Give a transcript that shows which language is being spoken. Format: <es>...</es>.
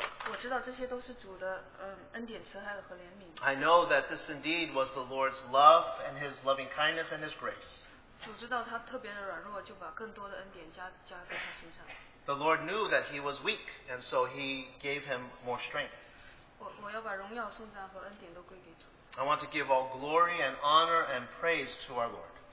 <zh>我知道这些都是主的恩典、慈爱和怜悯。</zh> <en>I know that this indeed was the Lord's love and His loving kindness and His grace.</en> <zh>主知道他特别的软弱，就把更多的恩典加在他身上。</zh> <en>The Lord knew that he was weak, and so He gave him more strength.</en> <zh>我要把荣耀、颂赞和恩典都归给主。</zh> <en>I want to give all glory and honor and praise to our Lord.</en>